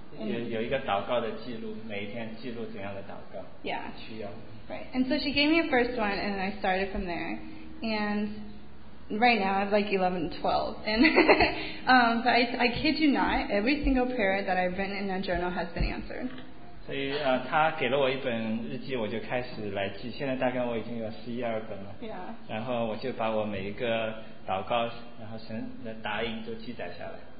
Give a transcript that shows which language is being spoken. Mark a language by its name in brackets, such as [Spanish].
[Chinese] 有一个祷告的记录，每一天记录怎样的祷告。 [English] Yeah. [Chinese] 需要。 [English] Right. And so she gave me a first one, and I started from there. And right now I have like 11, 12. And but I kid you not, every single prayer that I've written in a journal has been answered. [Chinese] 所以他给了我一本日记，我就开始来记。现在大概我已经有11、12本了。 [English] Yeah. [Chinese] 然后我就把我每一个祷告，然后神的答应都记载下来。